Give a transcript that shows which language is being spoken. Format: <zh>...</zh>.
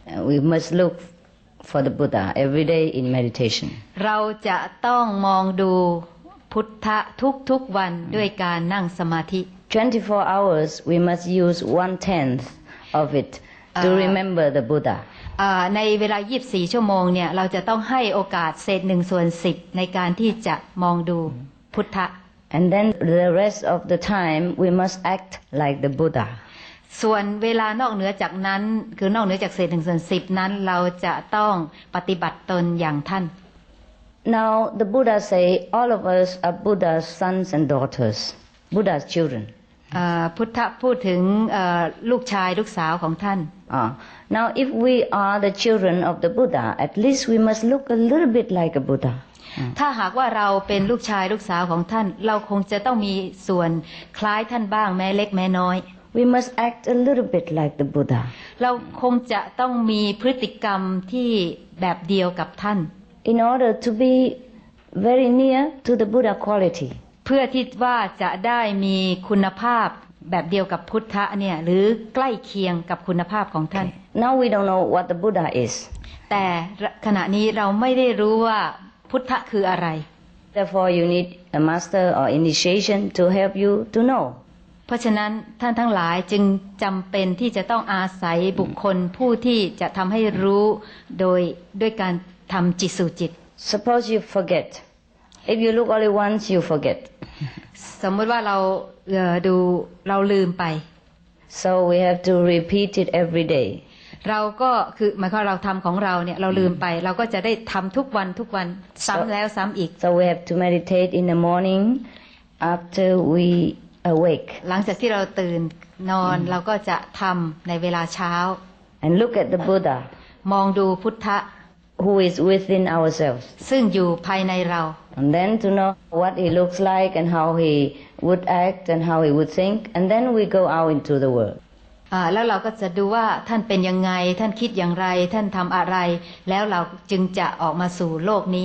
<en>We must look for the Buddha every day in meditation</en> <th>เราจะต้องมองดูพุทธะทุกวันด้วยการนั่งสมาธิ</th> <en>24 hours we must use 1/10 of it to remember the Buddha</en> <th>ในเวลา24ชั่วโมงเนี่ยเราจะต้องให้โอกาสเศษ1ส่วน10ในการที่จะมองดูพุทธะ</th> <en>And then the rest of the time we must act like the Buddha</en> <th>ส่วนเวลานอกเหนือจากนั้นคือนอกเหนือจากเศษหนึ่งส่วนสิบนั้นเราจะต้องปฏิบัติตนอย่างท่าน</th> <en>Now the Buddha say all of us are Buddha's sons and daughters Buddha's children</en> <th>พุทธะพูดถึงลูกชายลูกสาวของท่าน</th> <en>Now if we are the children of the Buddha at least we must look a little bit like a Buddha</en> <th>ถ้าหากว่าเราเป็นลูกชายลูกสาวของท่านเราคงจะต้องมีส่วนคล้ายท่านบ้างแม้เล็กแม้น้อย</th> <en>We must act a little bit like the Buddha.</en> <th>เราคงจะต้องมีพฤติกรรมที่แบบเดียวกับท่าน</th> <en>In order to be very near to the Buddha quality.</en> <th>เพื่อที่ว่าจะได้มีคุณภาพแบบเดียวกับพุทธะเนี่ยหรือใกล้เคียงกับคุณภาพของท่าน</th> <en>Now we don't know what the Buddha is.</en> <th>แต่ขณะนี้เราไม่ได้รู้ว่าพุทธะคืออะไร</th> <en>Therefore you need a master or initiation to help you to know.</en> <th>เพราะฉะนั้นท่านทั้งหลายจึงจำเป็นที่จะต้องอาศัยบุคคลผู้ที่จะทำให้รู้โดยการทำจิตสู่จิต</th> <en>Suppose you forget. If you look only once, you forget.</en> <th>สมมติว่าเราดูเราลืมไป</th> <en>So we have to repeat it every day.</en> <th>เราก็คือหมายความเราทำของเราเนี่ยเราลืมไปเราก็จะได้ทำทุกวันซ้ำแล้วซ้ำอีก</th> <en>So we have to meditate in the morning after weAwake.</en> <th>หลังจากที่เราตื่นนอนเราก็จะทำในเวลาเช้า</th> <en>And look at the Buddha.</en> <th>มองดูพุทธะ</th> <en>Who is within ourselves.</en> <th>ซึ่งอยู่ภายในเรา</th> <en>And then to know what he looks like and how he would act and how he would think. And then we go out into the world.</en> <th>แล้วเราก็จะดูว่าท่านเป็นยังไงท่านคิดอย่างไรท่านทำอะไรแล้วเราจึงจะออกมาสู่โลกนี</th>